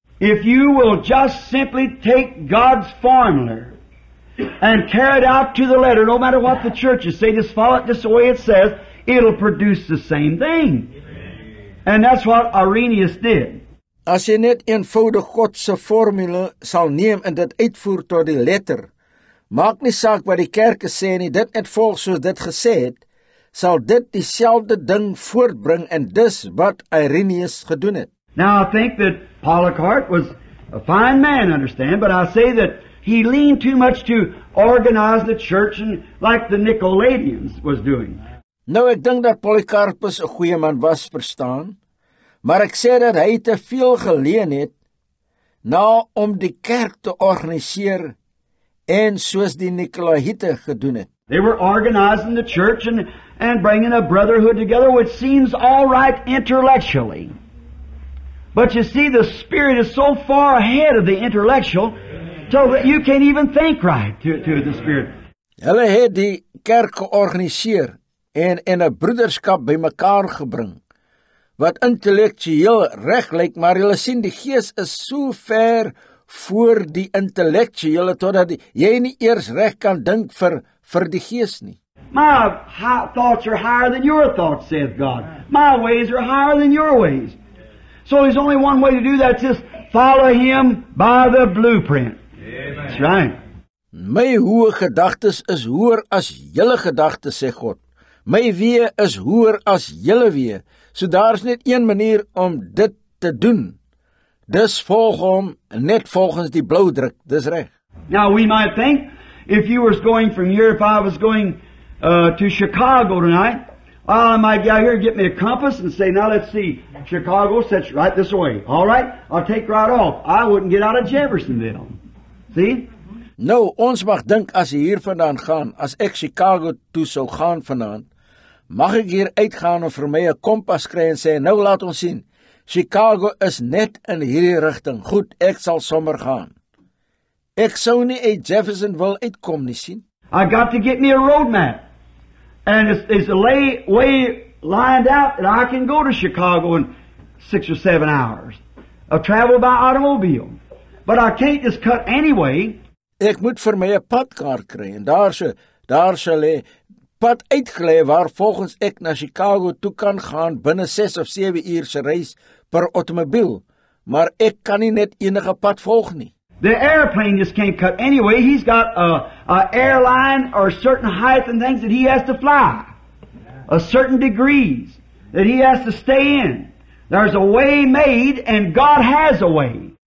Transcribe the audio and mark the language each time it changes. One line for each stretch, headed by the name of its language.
English: If you will just simply take God's formula and carry it out to the letter, no matter what the churches say, just follow it just the way it says, it'll produce the same thing. And that's what Irenaeus did.
Afrikaans: As jy net eenvoudig Godse formule sal neem en dit uitvoer tot die letter, maak nie saak wat die kerke sê nie, dit het volg soos dit gesê het, sal dit dieselfde ding voortbring en dis wat Irenaeus gedoen het.
English: Now I think that Polycarp was a fine man, understand, but I say that he leaned too much to organize the church and like the Nicolaitans was doing.
Afrikaans: Nou ek dink dat Polycarpus 'n goeie man was, verstaan, maar ek sê dat hy te veel geleen het na om die kerk te organiseer en soos die Nicolaïte gedoen het.
English: They were organizing the church and bringing a brotherhood together, which seems all right intellectually. But you see, the spirit is so far ahead of the intellectual, so that you can't even think right to the spirit.
Afrikaans: Hulle het die kerk georganiseer en 'n broederskap by mekaar gebring, wat intellektueel reg lyk, maar jy sien die gees is so ver voor die intellektuele, totdat jy nie eers reg kan dink vir die gees nie.
English: My thoughts are higher than your thoughts, saith God. My ways are higher than your ways. So there's only one way to do that, just follow him by the blueprint. Amen. That's right.
Afrikaans: My hoë gedagtes is hoër as julle gedagtes, sê God. My wee is hoër as julle wee, so daar is net een manier om dit te doen. Dis volg hom net volgens die bloudruk, dis reg.
English: Now we might think, if you was going from here, if I was going to Chicago tonight, I might get out here and get me a compass and say, now let's see, Chicago sets right this way. All right, I'll take right off. I wouldn't get out of Jeffersonville. See?
Afrikaans: Nou, ons mag dink as jy hier vandaan gaan, as ek Chicago toe sou gaan vanaand, mag ek hier uitgaan en vir my 'n kompas kry en sê, nou laat ons sien, Chicago is net in hierdie richting. Goed, ek sal sommer gaan. Ek sou nie uit Jeffersonville uitkom nie sien.
English: I got to get me a road map. And it's a way lined out that I can go to Chicago in 6 or 7 hours of travel by automobile. But I can't just cut anyway.
Afrikaans: Ek moet vir my 'n padkaart kry en daar sal 'n pad uitgelê waar volgens ek na Chicago toe kan gaan binne 6 of 7 uur se reis per automobiel. Maar ek kan nie net enige pad volg nie.
English: The airplane just can't cut anyway. He's got a airline or a certain height and things that he has to fly. A certain degrees that he has to stay in. There's a way made and God has a way.